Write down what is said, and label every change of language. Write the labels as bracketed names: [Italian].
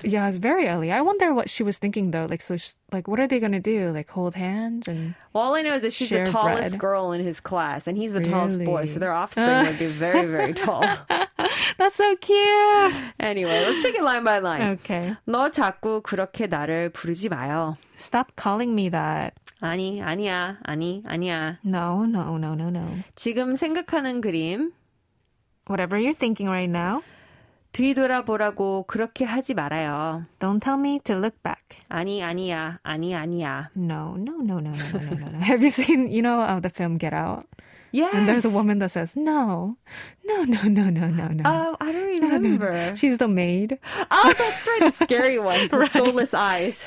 [English] Yeah, it's very early. I wonder what she was thinking, though. Like, what are they going to do? Like, hold hands? And well, all I know is that she's the tallest girl in his class, and he's the tallest boy, so their offspring would be very, very tall. That's so cute! Anyway, let's take it line by line. Okay. [Korean] 너 자꾸 그렇게 나를 부르지 마요. [English] Stop calling me that. [Korean] 아니, 아니야. 아니, 아니야. [English] No. [Korean] 지금 생각하는 그림. [English] Whatever you're thinking right now. [Korean] 뒤돌아보라고 그렇게 하지 말아요. [English] Don't tell me to look back. [Korean] 아니, 아니야. 아니, 아니야. [English] No. Have you seen, you know, the film Get Out? Yes. And there's a woman that says, no. I don't remember. No. She's the maid. Oh, that's right. The scary one. Right. Soulless eyes.